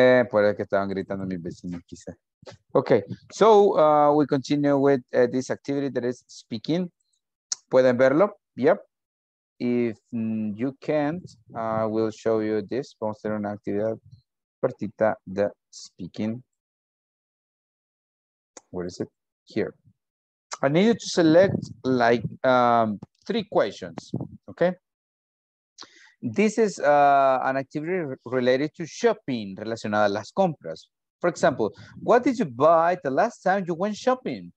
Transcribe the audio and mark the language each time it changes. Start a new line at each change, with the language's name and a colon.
Spanish: Por eso que estaban gritando mis vecinos, quizá.
English: Okay, so we continue with this activity that is speaking.
Spanish: Pueden verlo,
English: yep. If you can't, we'll show you this.
Spanish: Vamos a hacer una actividad cortita de speaking.
English: Where is it? Here. I need you to select like 3 questions, okay? This is an activity related to shopping,
Spanish: relacionada a las compras.
English: For example, what did you buy the last time you went shopping?